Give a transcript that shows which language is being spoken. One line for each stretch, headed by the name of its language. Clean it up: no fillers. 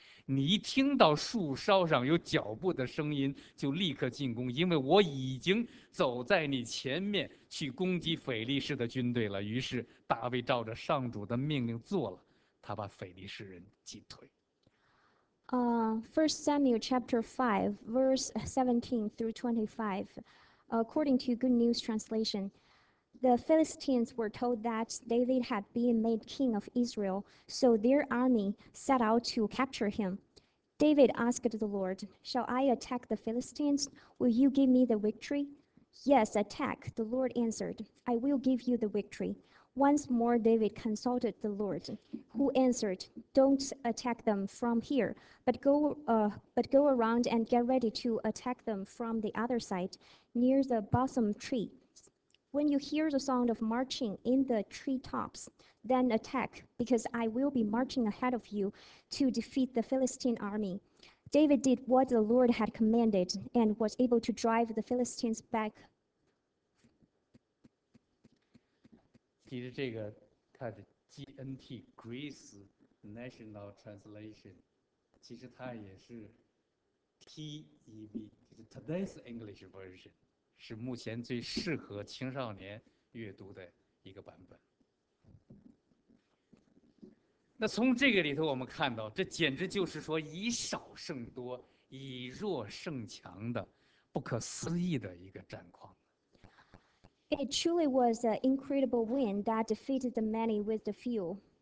Chinese: 你一听到树梢上有脚步的声音，就立刻进攻，因为我已经走在你前面去攻击腓力士的军队了。”于是大卫照着上主的命令做了，他把腓力士人击退。
English: First Samuel chapter 5, verse 17 through 25, according to Good News Translation, the Philistines were told that David had been made king of Israel, so their army set out to capture him. David asked the Lord, "Shall I attack the Philistines? Will you give me the victory?" "Yes, attack," the Lord answered. "I will give you the victory." Once more, David consulted the Lord, who answered, "Don't attack them from here, but go around and get ready to attack them from the other side, near the balsam tree. When you hear the sound of marching in the treetops, then attack, because I will be marching ahead of you to defeat the Philistine army." David did what the Lord had commanded and was able to drive the Philistines back.
Chinese: 其实这个它的GNT, Grace National Translation, 其实它也是TEV, 就是 Today's English Version, 是目前最适合青少年阅读的一个版本。那从这个里头我们看到，这简直就是说以少胜多、以弱胜强的不可思议的一个战况。
English: It truly was an incredible win that defeated the many with the few.